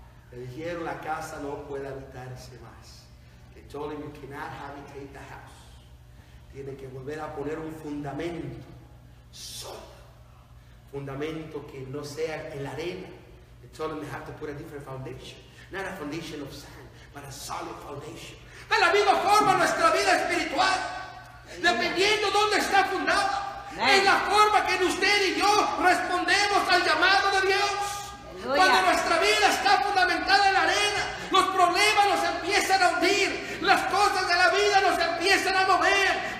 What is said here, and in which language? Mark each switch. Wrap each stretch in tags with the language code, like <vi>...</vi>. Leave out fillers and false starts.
<es>Le dijeron, la casa no puede habitarse más.</es> <en>They told him, you cannot habitate the house.</en> <es>Tiene que volver a poner un fundamento sólido. Fundamento que no sea en la arena.</es> <en>They told him they have to put a different foundation. Not a foundation of sand, but a solid foundation.</en> <es>De la misma forma nuestra vida espiritual, sí, dependiendo dónde está fundada, sí, es la forma que usted y yo respondemos al llamado de Dios. Cuando nuestra vida está fundamentada en la arena, los problemas nos empiezan a hundir, las cosas de la vida nos empiezan a mover.</es>